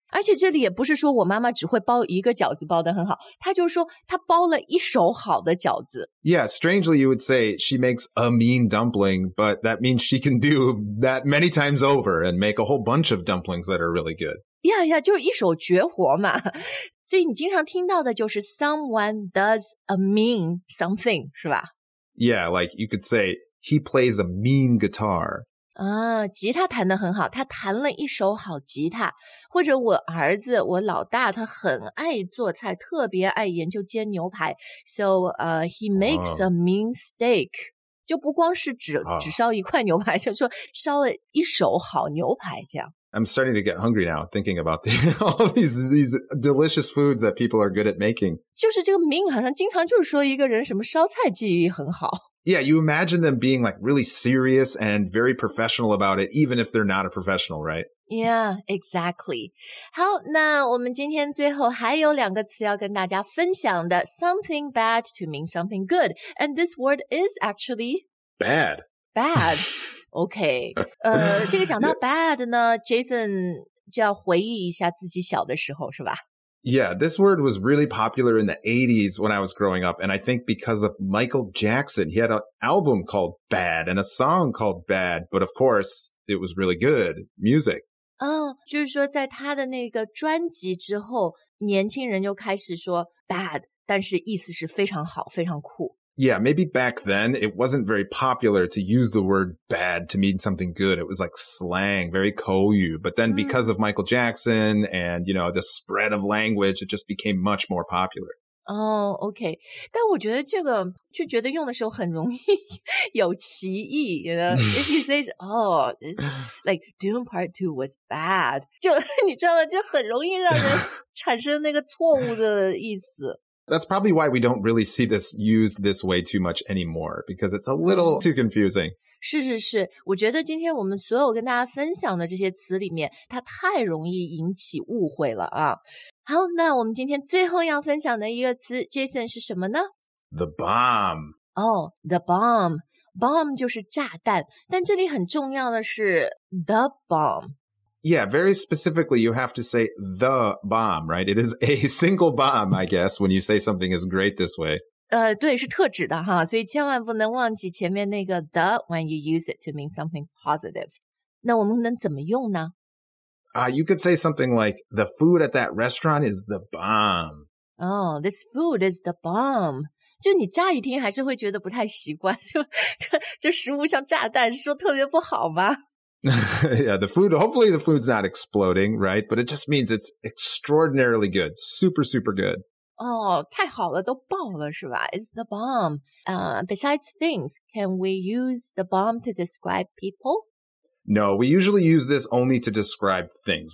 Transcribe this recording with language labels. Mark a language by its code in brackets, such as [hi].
[zh] 而且这里也不是说我妈妈只会包一个饺子包得很好，她就说她包了一手好的饺子。 [en] Yeah, strangely you would say she makes a mean dumpling, but that means she can do that many times over and make a whole bunch of dumplings that are really good. [zh] Yeah, yeah, 就一手绝活嘛。所以你经常听到的就是 [en] someone does a mean something, [zh] 是吧? [en] Yeah, like you could say he plays a mean guitar. [zh] 啊，吉他弹得很好，他弹了一手好吉他。或者我儿子，我老大，他很爱做菜，特别爱研究煎牛排。 [en] So, he makes a mean steak. [zh] 就不光是只烧一块牛排，就说烧了一手好牛排这样。 [en] I'm starting to get hungry now, thinking about all these delicious foods that people are good at making. [zh] 就是这个 mean 好像经常就是说一个人什么烧菜技艺很好。 [en] Yeah, you imagine them being like really serious and very professional about it, even if they're not a professional, right? Yeah, exactly. [zh] 好，那我们今天最后还有两个词要跟大家分享的 [en] something bad to mean something good. And this word is actually... Bad. Bad. Okay. [zh] 这个讲到 bad 呢 ,Jason 就要回忆一下自己小的时候是吧。 [en] Yeah, this word was really popular in the 80s when I was growing up. And I think because of Michael Jackson, he had an album called Bad and a song called Bad. But of course, it was really good music. [zh] Oh, 就是说在他的那个专辑之后，年轻人就开始说 bad, 但是意思是非常好，非常酷。 [en] Yeah, maybe back then it wasn't very popular to use the word bad to mean something good. It was like slang, very kouyu. But then because of Michael Jackson and, you know, the spread of language, it just became much more popular. Oh, okay. [zh] 但我觉得这个就觉得用的时候很容易有歧义 [en] you know? If he says, oh, this, like Dune Part 2 was bad, [zh] 就你知道吗就很容易让人产生那个错误的意思。 [en] That's probably why we don't really see this used this way too much anymore, because it's a little too confusing. [zh] 是是是，我觉得今天我们所有跟大家分享的这些词里面，它太容易引起误会了啊。好，那我们今天最后要分享的一个词 ,Jason, 是什么呢 [en] ?The bomb. Oh, the bomb. [zh] Bomb 就是炸弹，但这里很重要的是 the bomb. [en] Yeah, very specifically, you have to say the bomb, right? It is a single bomb, I guess, when you say something is great this way. [zh] 对，是特指的哈，所以千万不能忘记前面那个 the [en] when you use it to mean something positive. [zh] 那我们能怎么用呢？ [en] You could say something like, the food at that restaurant is the bomb. Oh, this food is the bomb. [zh] 就你乍一听还是会觉得不太习惯，就这食物像炸弹，是说特别不好吗？ [en] Yeah, the food, hopefully the food's not exploding, right? But it just means it's extraordinarily good, super, super good. [zh] Oh, 太好了,都爆了是吧? [en] It's the bomb. Besides things, can we use the bomb to describe people? No, we usually use this only to describe things.